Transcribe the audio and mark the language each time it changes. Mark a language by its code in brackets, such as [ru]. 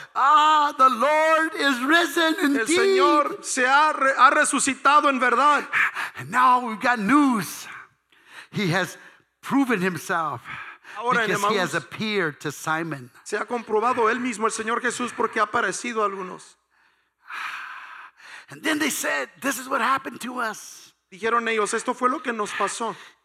[en] Ah, the Lord is risen indeed. [es] El Señor se ha ha resucitado en verdad. [en] And now we've got news. He has proven himself. [es] Ahora, [en] because Emmaus, he has appeared to Simon. [es] Se ha comprobado él mismo el Señor Jesús porque ha aparecido a algunos. [en] And then they said, "This is what happened to us." [es] Dijeron ellos, esto fue lo que nos pasó.